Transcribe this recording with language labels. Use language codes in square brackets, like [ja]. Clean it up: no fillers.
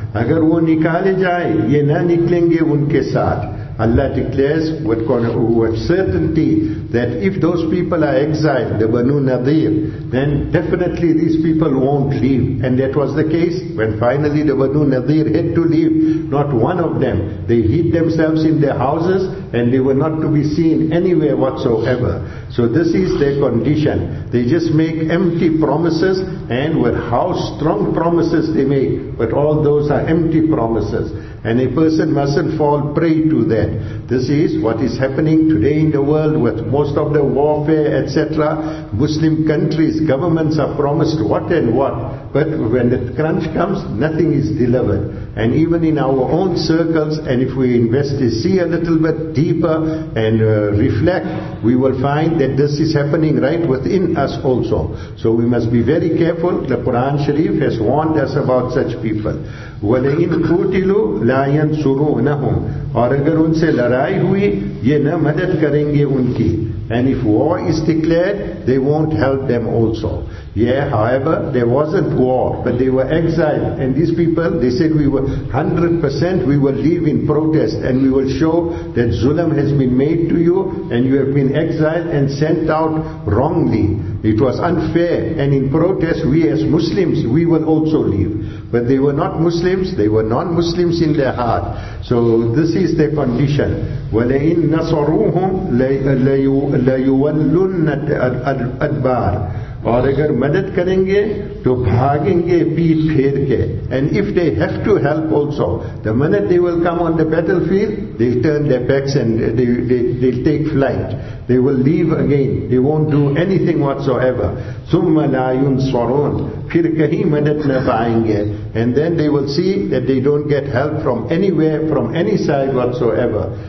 [ur] اگر وہ نکالے جائے یہ نہ نکلیں گے ان کے ساتھ. [en] Allah declares with certainty that if those people are exiled, the Banu Nadir, then definitely these people won't leave. And that was the case when finally the Banu Nadir had to leave. Not one of them. They hid themselves in their houses and they were not to be seen anywhere whatsoever. So this is their condition. They just make empty promises, and with how strong promises they make, but all those are empty promises. And a person mustn't fall prey to that. This is what is happening today in the world with most of the warfare, etc. Muslim countries, governments are promised what and what. But when the crunch comes, nothing is delivered. And even in our own circles, and if we see a little bit deeper and reflect, we will find that this is happening right within us also. So we must be very careful. The Quran Sharif has warned us about such people. [ar] وَلَئِنْ قُوتِلُوا لَا يَنْصُرُونَهُمْ. [ur] اور اگر ان سے لڑائی ہوئی یہ نہ مدد کریں گے ان کی. [en] And if war is declared, they won't help them also. Yeah, however, there wasn't war, but they were exiled. And these people, they said we were 100%, we will leave in protest and we will show that zulm has been made to you and you have been exiled and sent out wrongly. It was unfair, and in protest, we as Muslims, we will also leave. But they were not Muslims, they were non-Muslims in their heart. So this is their condition. [ar] وَلَئِنْ نَصَرُوهُمْ لَيُوَلُّنَّ الْأَدْبَارِ. [ur] اور اگر مدد کریں گے تو بھاگیں گے پیٹ پھیر کے. [en] And if they have to help also, the minute they will come on the battlefield, they'll turn their backs and they'll take flight. They will leave again. They won't do anything whatsoever. [ar] ثُمَّ لَا يُنصَرُونَ. [ur] پھر کہیں مدد نہ پائیں گے. [en] And then they will see that they don't get help from anywhere, from any side whatsoever.